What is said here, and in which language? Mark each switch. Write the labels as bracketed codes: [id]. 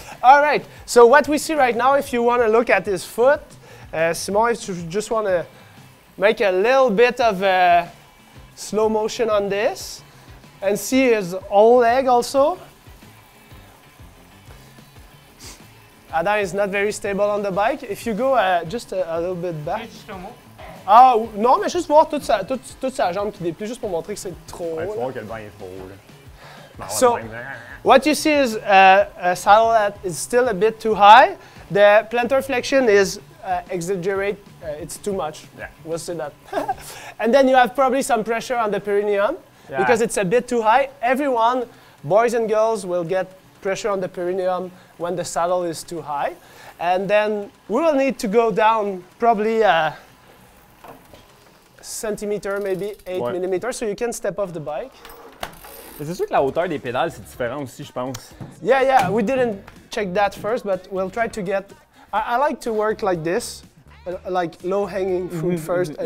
[en] All right, so what we see right now, if you want to look at his foot, Simon, if you just want to make a little bit of a slow motion on this and see his whole leg also. Adam is not very stable on the bike. If you go just a little bit back. [fr] Ah, non, mais juste voir toute sa jambe qui déplie, juste pour montrer que c'est trop haut. Tu vois que le bain est trop haut. [en] So, what you see is a saddle that is still a bit too high. The plantar flexion is exaggerated. It's too much. Yeah. We'll see that. And then you have probably some pressure on the perineum because it's a bit too high. Everyone, boys and girls, will get pressure on the perineum when the saddle is too high. And then we will need to go down probably a centimeter, maybe 8 millimeters, so you can step off the bike. [fr] C'est sûr que la hauteur des pédales c'est différent aussi, je pense. [en] Yeah, yeah, we didn't check that first, but we'll try to get... I like to work like this, like low-hanging fruit first, and